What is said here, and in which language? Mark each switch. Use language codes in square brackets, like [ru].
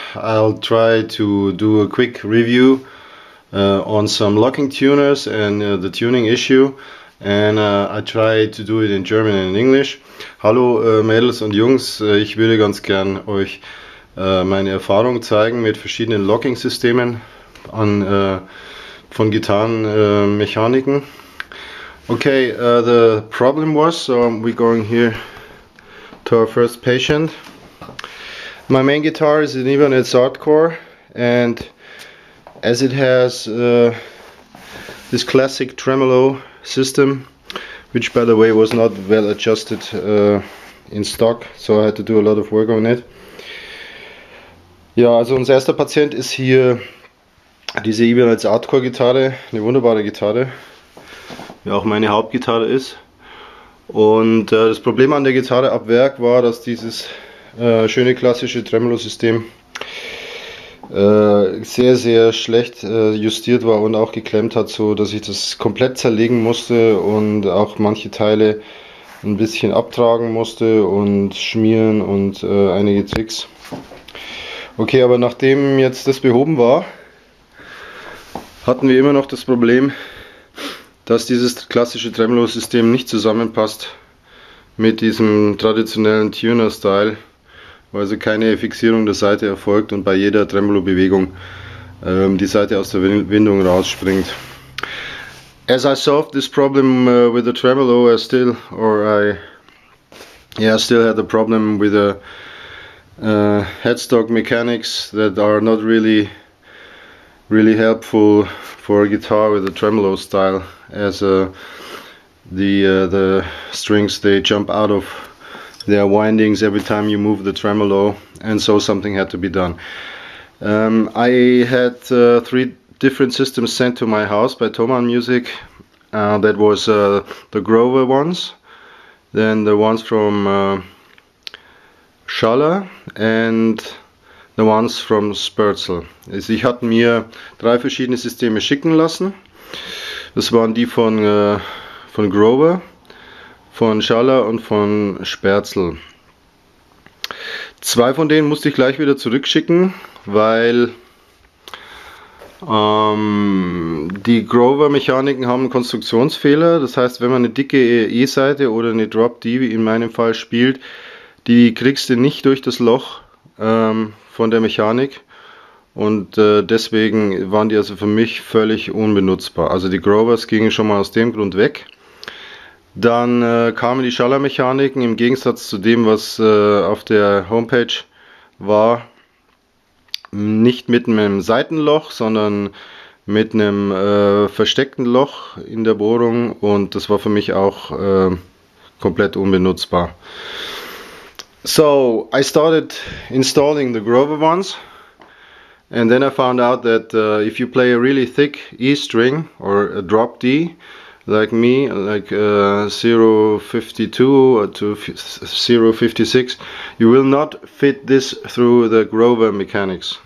[en] I'll try to do a quick review on some locking tuners and the tuning issue. And I try to do it in German and in English. [de] Hallo Mädels und Jungs, ich würde ganz gern euch meine Erfahrung zeigen mit verschiedenen Locking-Systemen von Gitarrenmechaniken. [en] Okay, the problem was, so we're going here to our first patient. My main guitar is an Ibanez Artcore, and as it has this classic tremolo system, which by the way was not well adjusted in stock, so I had to do a lot of work on it. [de] Ja, also unser erster Patient ist hier diese Ibanez Artcore Gitarre, eine wunderbare Gitarre, die auch meine Hauptgitarre ist. Und das Problem an der Gitarre ab Werk war, dass dieses schöne klassische Tremolo-System sehr, sehr schlecht justiert war und auch geklemmt hat, so dass ich das komplett zerlegen musste und auch manche Teile ein bisschen abtragen musste und schmieren und einige Tricks. Okay, aber nachdem jetzt das behoben war, hatten wir immer noch das Problem, dass dieses klassische Tremolo-System nicht zusammenpasst mit diesem traditionellen Tuner-Style. Also keine Fixierung der Saite erfolgt und bei jeder Tremolo-Bewegung die Saite aus der Windung rausspringt. [en] As I solved this problem with the tremolo, I still had a problem with the headstock mechanics that are not really, really helpful for a guitar with a tremolo style, as the strings, they jump out of there are windings every time you move the tremolo, and so something had to be done. I had three different systems sent to my house by Thomann Music. That was the Grover ones, then the ones from Schaller, and the ones from Spörzl. [de] Also ich hatte mir drei verschiedene Systeme schicken lassen. Das waren die von Grover, von Schaller und von Spörzl. Zwei von denen musste ich gleich wieder zurückschicken, weil die Grover-Mechaniken haben einen Konstruktionsfehler. Das heißt, wenn man eine dicke E-Saite oder eine Drop-D, wie in meinem Fall, spielt, die kriegst du nicht durch das Loch von der Mechanik. Und deswegen waren die also für mich völlig unbenutzbar. Also die Grovers gingen schon mal aus dem Grund weg. Dann kamen die Schaller-Mechaniken im Gegensatz zu dem, was auf der Homepage war, nicht mit einem Saitenloch, sondern mit einem versteckten Loch in der Bohrung, und das war für mich auch komplett unbenutzbar. [en] So, I started installing the Grover ones, and then I found out that if you play a really thick E-string or a drop D, like me, like 052 to 056, you will not fit this through the Grover mechanics.